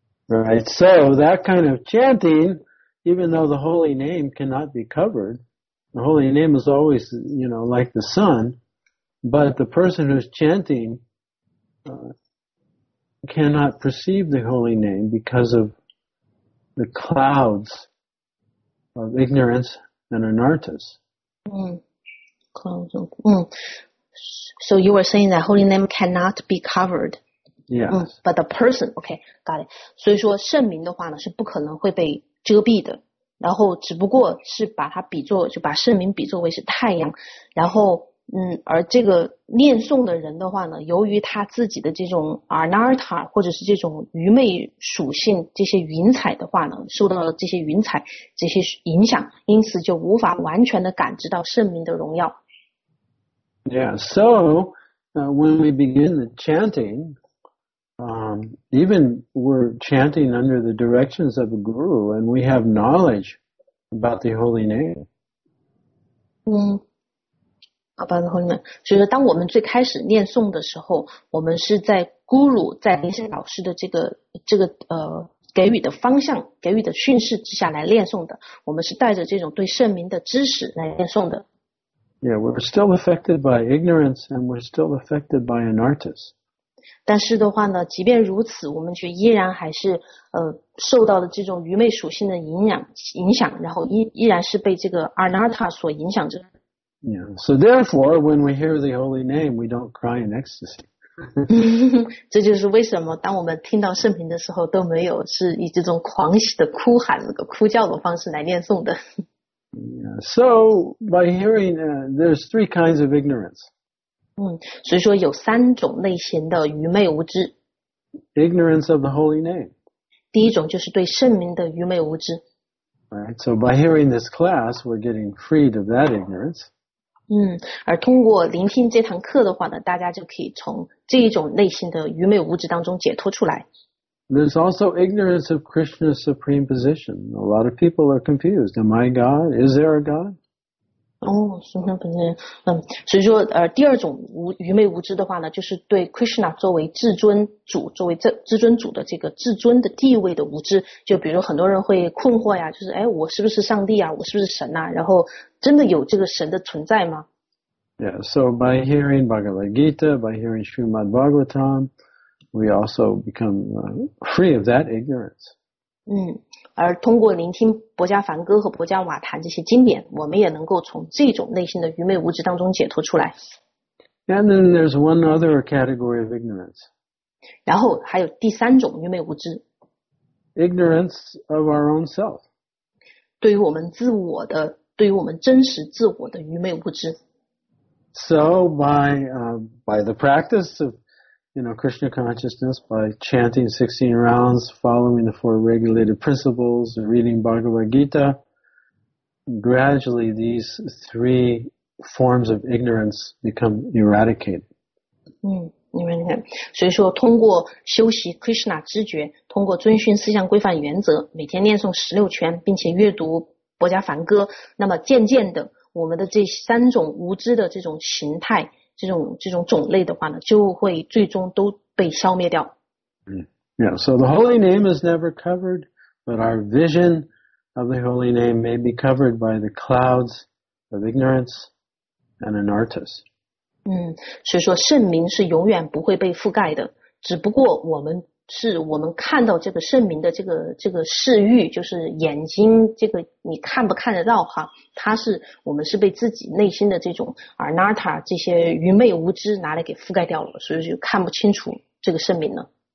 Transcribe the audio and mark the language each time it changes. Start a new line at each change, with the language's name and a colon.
English: Right, so that kind of chanting, even though the holy name cannot be covered, the holy name is always, you know, like the sun, but the person who's chantingcannot perceive the holy name because of the clouds of ignorance and anartas. Clouds of, So you were saying that holy name cannot be covered. Yes. But the person, okay, got it.
Chinese: 所以说圣名的话呢是不可能会被遮蔽的。然后只不过是把它比作，就把圣名比作为是太阳，然后而这个念诵的人的话呢，由于他自己的这种 anartha 或者是这种愚昧属性，这些云彩的话呢，受到了这些云彩这些影响，因此就无法完全的感知到圣名的荣耀。
English: Yeah, so when we begin the chanting, even we're chanting under the directions of a guru, and we have knowledge about the holy name. About the holy name.
Chinese: 所以说当我们最开始念诵的时候，我们是在 guru 在灵性老师的这个给予的方向，给予的训示之下来念诵的，我们是带着这种对圣名的知识来念诵的。
English: Yeah, we're still affected by ignorance and we're still affected by anartas.
Chinese: 但是的话呢，即便如此，我们却依然还是受到了这种愚昧属性的影响，然后依然是被这个 Anatta 所影响着。
English: Yeah. So therefore, when we hear the holy name, we don't cry in ecstasy.
Chinese: 这就是为什么当我们听到圣名的时候，都没有是以这种狂喜的哭喊、那个哭叫的方式来念诵的。
English: Yeah. So by hearing, there's three kinds of ignorance.
Chinese: 所以说有三种类型的愚昧无知。
English: Ignorance of the holy name.
Chinese: 第一种就是对圣名的愚昧无知。
English: Right. So by hearing this class, we're getting freed of that ignorance.
Chinese: 而通过聆听这堂课的话呢，大家就可以从这一种类型的愚昧无知当中解脱出来。
English: There's also ignorance of Krishna's supreme position. A lot of people are confused. Am I God? Is there a God?
Chinese: 所以说第二种愚昧无知的话呢，就是对 Krishna 作为至尊主，作为至尊主的这个至尊的地位的无知。就比如很多人会困惑呀，就是哎，我是不是上帝啊？我是不是神啊？然后真的有这个神的存在吗？
English: Yeah, so by hearing Bhagavad Gita, by hearing Srimad Bhagavatam, we also become free of that ignorance.
Chinese: 而通过聆听薄伽梵歌和薄伽瓦檀这些经典，我们也能够从这种内心的愚昧无知当中解脱出来。
English: And then there's one other category of ignorance.
Chinese: 然后还有第三种愚昧无知。
English: Ignorance of our own self.
Chinese: 对于我们自我的对于我们真实自我的愚昧无知。
English: So by the practice of, you know, Krishna consciousness, by chanting 16 rounds, following the four regulated principles, reading Bhagavad Gita, gradually these three forms of ignorance become eradicated.
Chinese: 你们看，所以说通过修习 Krishna 知觉，通过遵循四项规范原则，每天念诵十六圈，并且阅读薄伽梵歌，那么渐渐的，我们的这三种无知的这种形态，这种种类的话呢，就会最终都被消灭掉。
English: Yeah, so the holy name is never covered, but our vision of the holy name may be covered by the clouds of ignorance and anartas.
Chinese: 所以说圣名是永远不会被覆盖的，只不过我们看到这个圣名的这个视域，就是眼睛，这个你看不看得到哈？它是我们是被自己内心的这种 anatta 这些愚昧无知拿来给覆盖掉了，所以就看不清楚这个圣名了。